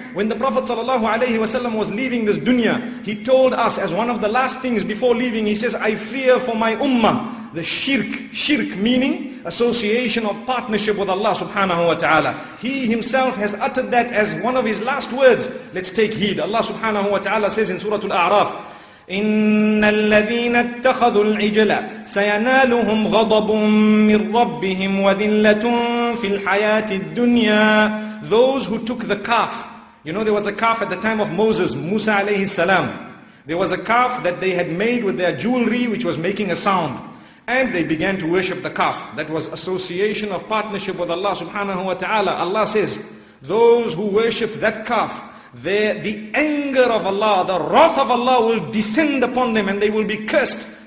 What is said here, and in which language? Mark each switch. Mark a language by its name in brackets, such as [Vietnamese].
[English] When the Prophet sallallahu alayhi wa sallam was leaving this dunya, he told us as one of the last things before leaving, he says, I fear for my ummah, the shirk. Shirk meaning association of partnership with Allah subhanahu wa ta'ala. He himself has uttered that as one of his last words. Let's take heed. Allah subhanahu wa ta'ala says in Surah Al-A'raf, [Arabic] إِنَّ الَّذِينَ اتَّخَذُوا الْعِجَلَ سَيَنَالُهُمْ غَضَبٌ مِّن رَبِّهِمْ وَذِلَّةٌ فِي الْحَيَاةِ الدُّنْيَا. [English] Those who took the calf, you know, there was a calf at the time of Moses, Musa alayhi salam. There was a calf that they had made with their jewelry, which was making a sound. And they began to worship the calf. That was association of partnership with Allah subhanahu wa ta'ala. Allah says, those who worship that calf, the anger of Allah, the wrath of Allah will descend upon them and they will be cursed.